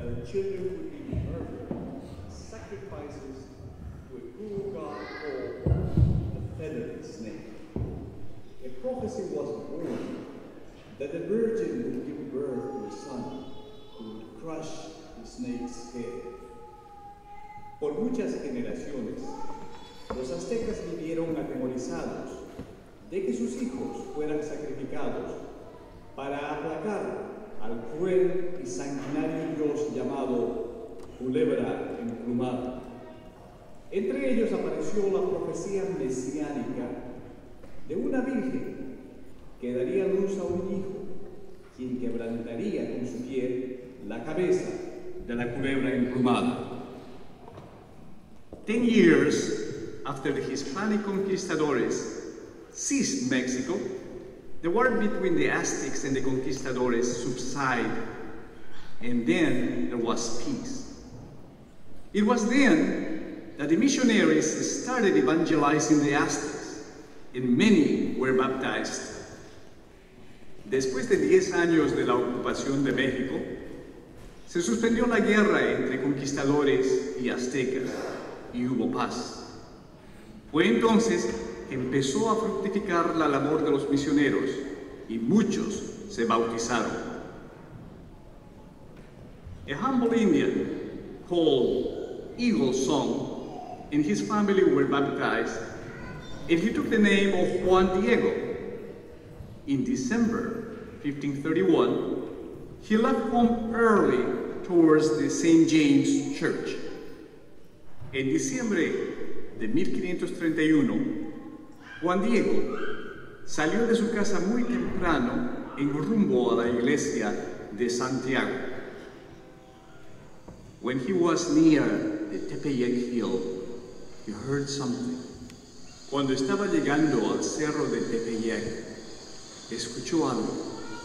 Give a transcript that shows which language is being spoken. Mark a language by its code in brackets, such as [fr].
[en] Children would be murdered, sacrifices to a cruel god called the feathered snake. A prophecy was born that the virgin would give birth to a son who would crush the snake's head. [es] Por muchas generaciones, los aztecas vivieron atemorizados de que sus hijos fueran sacrificados para aplacar al cruel y sanguinario dios llamado. culebra emplumada. Entre ellos apareció la profecía mesiánica de una virgen que daría luz a un hijo, quien quebrantaría con su pie la cabeza de la culebra emplumada. [en] 10 years after the Hispanic conquistadores seized Mexico, the war between the Aztecs and the conquistadores subsided, and then there was peace. It was then that the missionaries started evangelizing the Aztecs, and many were baptized. [es] Después de 10 años de la ocupación de México, se suspendió la guerra entre conquistadores y aztecas y hubo paz. Fue entonces que empezó a fructificar la labor de los misioneros y muchos se bautizaron. [en] A humble Indian called Eagle Song and his family were baptized, and he took the name of Juan Diego. In December 1531, he left home early towards the St. James Church. [es] En diciembre de 1531, Juan Diego salió de su casa muy temprano en rumbo a la iglesia de Santiago. [en] When he was near the Tepeyac Hill, he heard something. [es] Cuando estaba llegando al cerro de Tepeyac, escuchó algo.